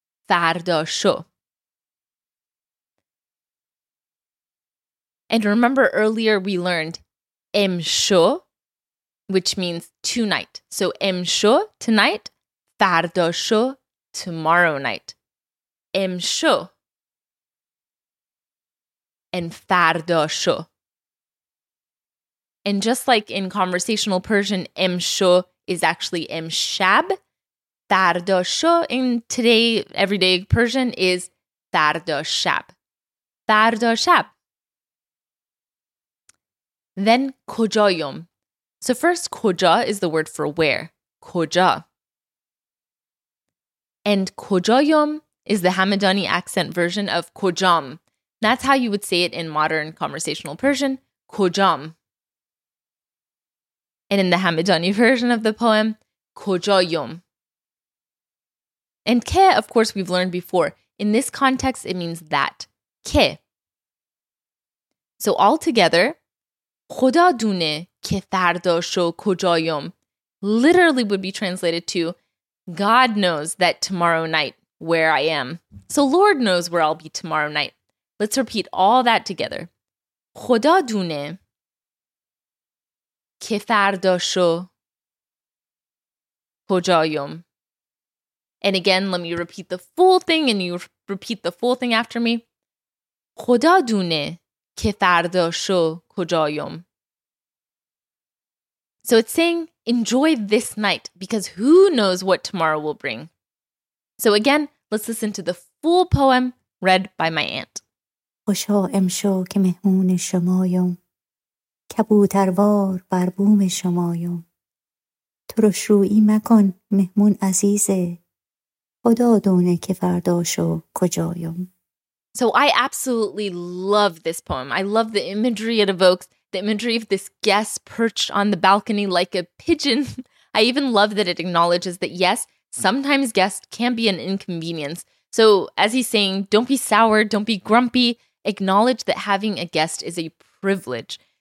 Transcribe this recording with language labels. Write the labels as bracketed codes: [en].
[fa] فردا شو. [en] And remember earlier we learned امشو, which means tonight. So امشو tonight, فردا شو tomorrow night. [fa] امشو and فردا شو. [en] And just like in conversational Persian, امشو is actually امشب, فردا شو in today everyday Persian is فردا شب. [fa] فردا شب. [en] Then کجایم. So first کجا is the word for where. [fa] کجا. [en] And کجایم is the Hamadani accent version of کجام. That's how you would say it in modern conversational Persian. [fa] کجام. [en] And in the Hamadani version of the poem, کجایم. And که, of course, we've learned before. In this context, it means that. [fa] که. [en] So all together, [fa] خدا دونه که فردا شو کجایم. [en] Literally would be translated to, God knows that tomorrow night where I am. So Lord knows where I'll be tomorrow night. Let's repeat all that together. [fa] خدا دونه که فردا شو کجایم. [en] And again, let me repeat the full thing and you repeat the full thing after me. [fa] خدا دونه که فردا شو کجایم. [en] So it's saying, enjoy this night because who knows what tomorrow will bring. So again, let's listen to the full poem read by my aunt. [fa] خوشا امشو که مهمون شمایم, کبوتروار بر بوم شمایم. ترش رویی مکن مهمون عزیزه, خدا دونه که فردا شو کجایم. [en] So I absolutely love this poem. I love the imagery it evokes, the imagery of this guest perched on the balcony like a pigeon. I even love that it acknowledges that yes, sometimes guests can be an inconvenience. So as he's saying, don't be sour, don't be grumpy. Acknowledge that having a guest is a privilege.